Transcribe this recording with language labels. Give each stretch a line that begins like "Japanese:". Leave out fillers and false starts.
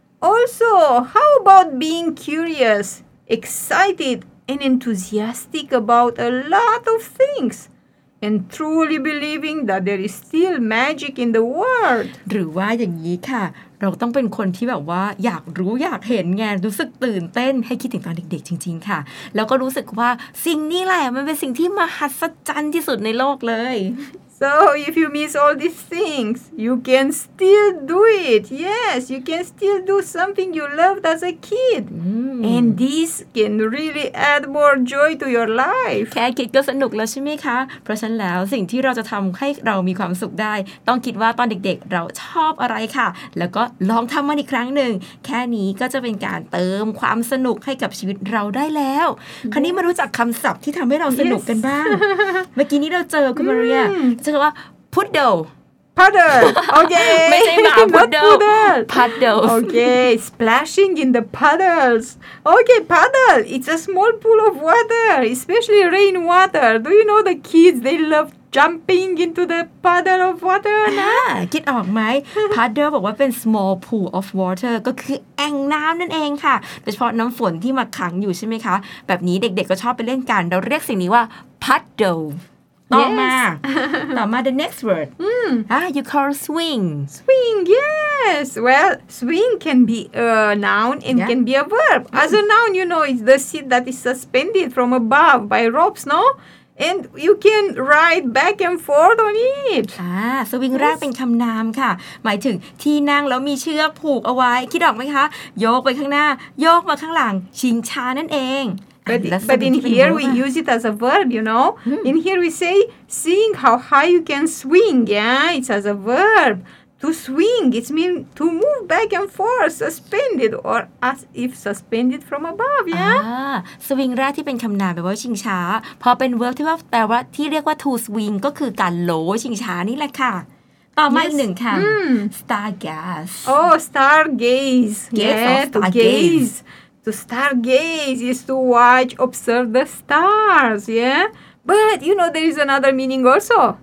English: Also, how about being curious, excited, and enthusiastic about a lot of things? And truly believing that there is still magic in the world.
Thai: หรือว่าอย่างนี้ค่ะเราต้องเป็นคนที่แบบว่าอยากรู้อยากเห็นไงรู้สึกตื่นเต้นให้คิดถึงตอนเด็กๆจริงๆค่ะแล้วก็รู้สึกว่าสิ่งนี้แหละมันเป็นสิ่งที่มหัศจรรย์ที่สุดในโลกเลย
English: So if you miss all these things, you can still do it. Yes, you can still do something you loved as a kid. And this can really add more joy to your life.
Thai: แค่คิดก็สนุกแล้วใช่ไหมคะเพราะฉะนั้นแล้วสิ่งที่เราจะทำให้เรามีความสุขได้ต้องคิดว่าตอนเด็กๆเราชอบอะไรค่ะแล้วก็ลองทำมันอีกครั้งหนึ่งแค่นี้ก็จะเป็นการเติมความสนุกให้กับชีวิตเราได้แล้วคราวนี้มารู้จักคำศัพท์ที่ทำให้เราสนุกกันบ้างเมื่อกี้นี้เราเจอคุณมาเรียใช่ว่าพุดเดิล พัดเดิลโอเค ไม่ใช่หมาพุดเดิลพัดเดิล
English: โอเค splashing in the puddles โอเค puddle it's a small pool of water especially rain water do you know the kids they love jumping into the puddle of water นะ
Thai: คิดออกไหมพัดเดิลบอกว่าเป็น
English: small pool of water
Thai: ก็คือแอ่งน้ำนั่นเองค่ะโดยเฉพาะน้ำฝนที่มาขังอยู่ใช่ไหมคะแบบนี้เด็กๆก็ชอบไปเล่นกันเราเรียกสิ่งนี้ว่าพัดเดิล
English: Yes.
Thai: ต่อมา
English: the next word. You call swing. Swing, yes. Well, swing can be a noun and can be a verb. As a noun, you know, it's the seat that is suspended from above by ropes, no? And you can ride back and forth on it.
Thai: Swing แรกเป็นคำนามค่ะหมายถึงที่นั่งแล้วมีเชือกผูกเอาไว้คิดออกไหมคะโยกไปข้างหน้าโยกมาข้างหลังชิงช้านั่นเอง
English: But in here we use it as a verb, you know. In here we say, seeing how high you can swing. Yeah, it's as a verb. To swing, it means to move back and forth, suspended, or as if suspended from above. Yeah.
Thai: Swing แรกที่เป็นคำนามแปลว่าชิงช้าพอเป็น verb ที่ว่าแปลว่าที่เรียกว่า to swing ก็คือการโหลชิงช้านี่แหละค่ะต่อมาอีกหนึ่งคำ stargaze.
English: Oh, stargaze. Yeah, to gaze. To stargaze is to watch, observe the stars, yeah? But you know there is another meaning also.